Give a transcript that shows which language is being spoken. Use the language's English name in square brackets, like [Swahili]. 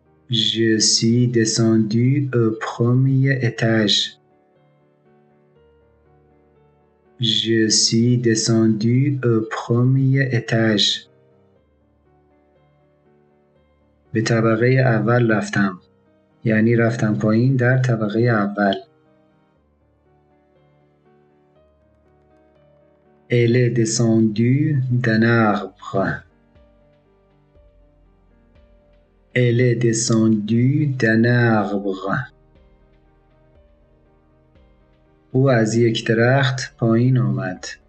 [French] Je suis descendu au premier étage. Je suis descendu au premier étage. [Persian] به طبقه اول رفتم. یعنی رفتم پایین در طبقه اول. [French] Elle est descendue d'un arbre. Elle est descendue d'un arbre. [Persian] او از یک درخت پایین آمد.